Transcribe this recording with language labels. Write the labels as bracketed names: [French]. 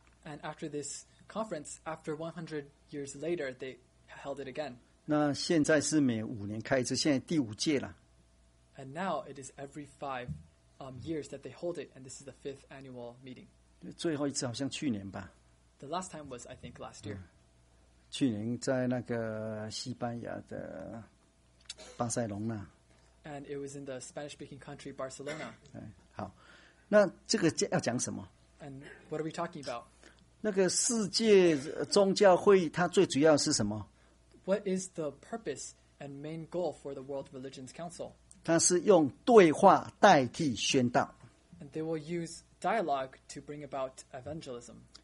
[English] And after this conference, after 100 years later, they held it again. [Chinese] 那现在是每5年开一次，现在第5届了。 [English] And now it is every 5 years that they hold it, and this is the 5th annual meeting. [Chinese] 最后一次好像去年吧。 [English] The last time was, I think, last year. [Chinese] 去年在那个西班牙的巴塞隆纳。 [English] And it was in the Spanish-speaking country, Barcelona. [Chinese] 好，那这个要讲什么？ [English] And what are we talking about? [Chinese] 那个世界宗教会议它最主要是什么？ [English] What is the purpose and main goal for the World Religions Council? [Chinese] 它是用对话代替宣道。 [English] And they will use dialogue to bring about evangelism.